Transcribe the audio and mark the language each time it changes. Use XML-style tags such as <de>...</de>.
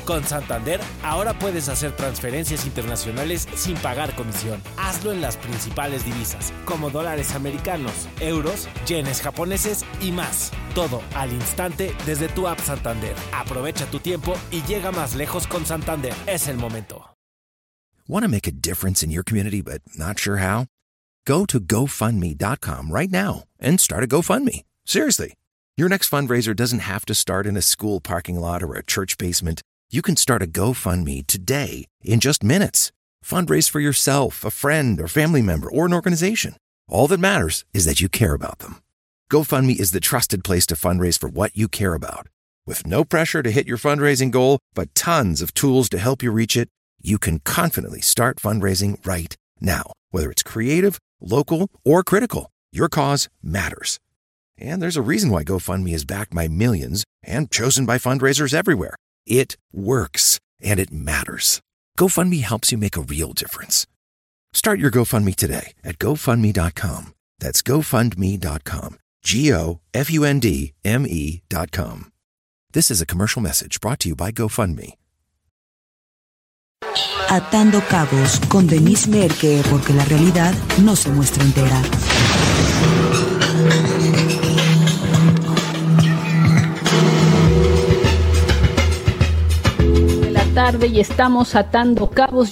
<es>Con Santander, ahora puedes hacer transferencias internacionales sin pagar comisión. Hazlo en las principales divisas, como dólares americanos, euros, yenes japoneses y más. Todo al instante desde tu app Santander. Aprovecha tu tiempo y llega más lejos con Santander. Es el momento.</es> <en>Want to make a difference in your community but not sure how? Go to GoFundMe.com right now and start a GoFundMe. Seriously. Your next fundraiser doesn't have to start in a school parking lot or a church basement. You can start a GoFundMe today in just minutes. Fundraise for yourself, a friend, or family member, or an organization. All that matters is that you care about them. GoFundMe is the trusted place to fundraise for what you care about. With no pressure to hit your fundraising goal, but tons of tools to help you reach it, you can confidently start fundraising right now. Whether it's creative, local, or critical, your cause matters. And there's a reason why GoFundMe is backed by millions and chosen by fundraisers everywhere. It works, and it matters. GoFundMe helps you make a real difference. Start your GoFundMe today at GoFundMe.com. That's GoFundMe.com. GoFundMe.com. This is a commercial message brought to you by GoFundMe.</en> <es>Atando cabos con Denise Merke, porque la realidad no se muestra entera. Tarde y estamos atando cabos.</es>